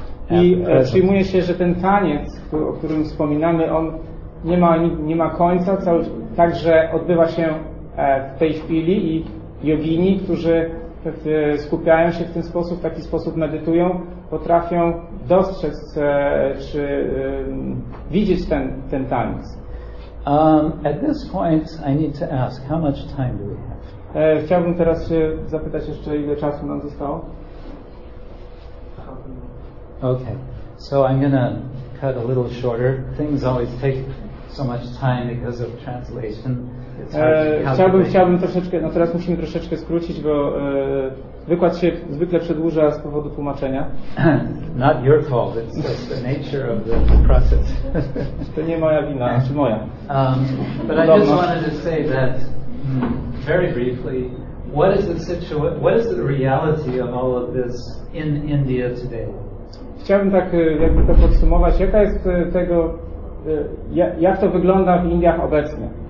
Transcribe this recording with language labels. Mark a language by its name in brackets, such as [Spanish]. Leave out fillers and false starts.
[Polish] I przyjmuje się, że ten taniec, o którym wspominamy, on nie ma końca, także odbywa się w tej chwili i jogini, którzy skupiają się w ten sposób, w taki sposób medytują, potrafią dostrzec czy widzieć ten taniec. [English] At this point I need to ask, how much time do we have? [Polish] Chciałbym teraz się zapytać jeszcze, ile czasu nam zostało. [English] Okay, so I'm gonna cut a little shorter. Things always take so much time because of translation. [Polish] Chciałbym troszeczkę, no teraz musimy troszeczkę skrócić, bo wykład się zwykle przedłuża z powodu tłumaczenia. [English] Not your fault, it's just the nature of the process. [Polish] To nie moja wina, czy moja. [English] But I just wanted to say that very briefly, what is the reality of all of this in India today? [Polish] Chciałbym tak jakby to podsumować, jaka jest tego, jak to wygląda w Indiach obecnie?